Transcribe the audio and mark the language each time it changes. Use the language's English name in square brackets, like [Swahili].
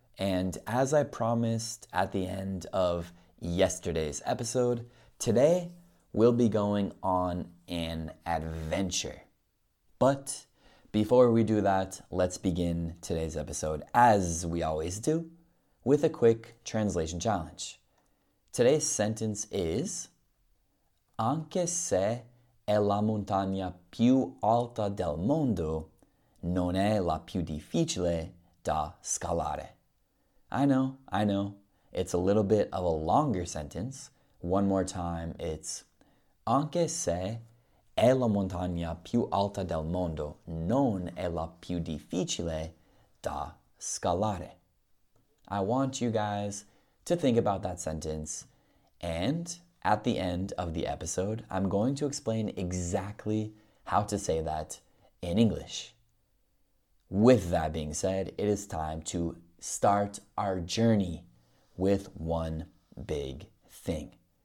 [English] And as I promised at the end of yesterday's episode, today we'll be going on an adventure. But before we do that, let's begin today's episode, as we always do, with a quick translation challenge. Today's sentence is, [Italian] anche se è la montagna più alta del mondo, non è la più difficile da scalare. [English] I know, it's a little bit of a longer sentence. One more time, it's [Italian] anche se è la montagna più alta del mondo, non è la più difficile da scalare. [English] I want you guys to think about that sentence. And at the end of the episode, I'm going to explain exactly how to say that in English. With that being said, it is time to start our journey with one big thing.